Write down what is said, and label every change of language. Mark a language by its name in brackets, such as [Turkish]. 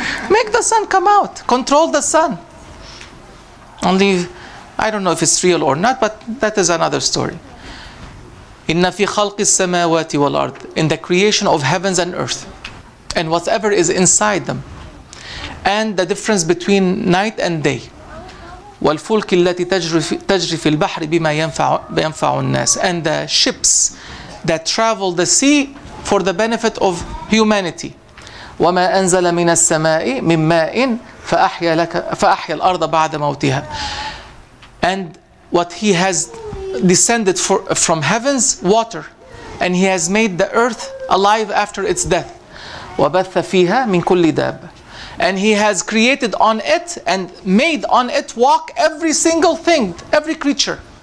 [English] Make the sun come out. Control the sun. Only, I don't know if it's real or not, but that is another story. [Arabic] إِنَّ فِي خَلْقِ السَّمَاوَاتِ وَالْأَرْضِ. [English] In the creation of heavens and earth, and whatever is inside them, and the difference between night and day. [Arabic] والفلك التي تجري في البحر بما ينفع الناس. [English] And the ships that travel the sea for the benefit of humanity. [Arabic] وما أنزل من السماء من ماء فأحيا الأرض بعد موتها. [English] And what he has descended from heavens, water. And he has made the earth alive after its death. [Arabic] وبث فيها من كل داب. [English] And he has created on it and made on it walk every single thing, every creature.